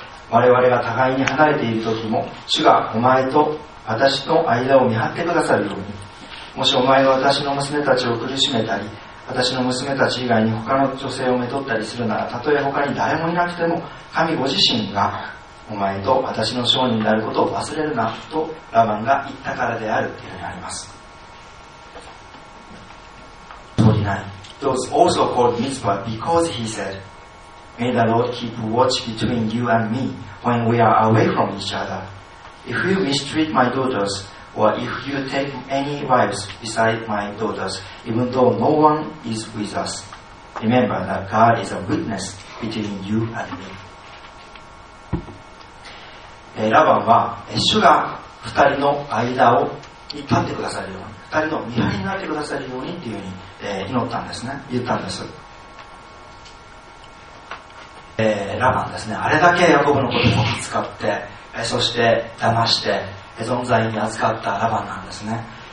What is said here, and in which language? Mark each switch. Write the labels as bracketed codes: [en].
[ja] 我々が互いに離れている時も、主がお前と私の間を見張ってくださるように、もしお前が私の娘たちを苦しめたり、私の娘たち以外に他の女性をめとったりするなら、たとえ他に誰もいなくても、神ご自身がお前と私の証人であることを忘れるなとラマンが言ったからであるというふうにあります。 [en] 49 Those also called Mizpah because he said May the Lord keep watch between you and me when we are away from each otherIf you mistreat my daughters, or if you take any wives beside my daughters, even though no one is with us, remember that God is a witness between you and me. [ja] ラバンは主が二人の間を立ってくださるように、二人の見張りになってくださるようにっていうふうに、祈ったんですね、言ったんです。ラバンですね、あれだけヤコブのことを使って、そして騙して、エドン罪に預かったラバンなんですね。